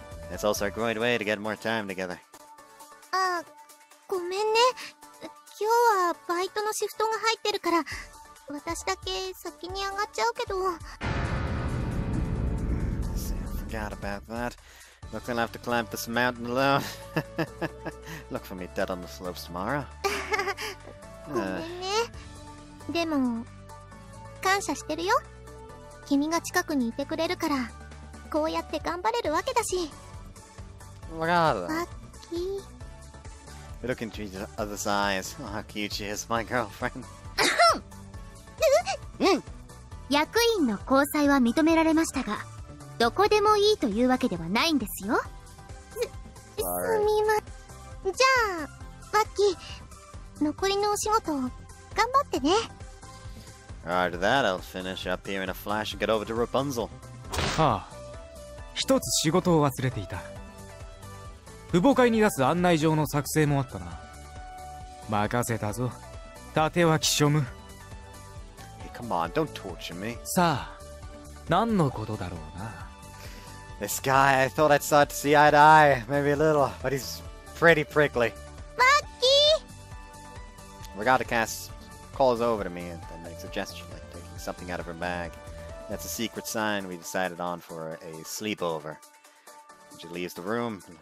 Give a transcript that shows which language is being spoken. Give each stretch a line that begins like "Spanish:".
English: It's also a great way to get more time together.
Japanese: ごめんね。今日はバイトのシフトが入ってるから、私だけ先に上がっちゃうけど。
English: I forgot about that. Look, I'll have to climb this mountain alone. Look for me dead on the slopes tomorrow.
Japanese: ごめんね。でも、感謝してるよ。君が近くにいてくれるから、こうやって頑張れるわけだし。わかる。バッキー。
English: Look into each other's eyes. Oh, how cute she is, my girlfriend.
Japanese: 役員の交際は認められましたが、どこでもいいというわけではないんですよ。すみま。じゃあ、バッキー、残りのお仕事を頑張ってね。
English: After that, I'll finish up here in a flash and get over to Rapunzel.
Japanese: ああ、一つ仕事を忘れていた。父母会に出す案内状の作成もあったな。任せたぞ、立脇庶務。
English: Hey, come on, don't torture me.
Japanese: さあ、何のことだろうな。
English: This guy, I thought I'd start to see eye to eye, maybe a little, but he's pretty prickly.
Japanese: バッキー！
English: Regatta Cass calls over to me and then makes a gesture like taking something out of her bag. That's a secret sign we decided on for a sleepover. She leaves the room.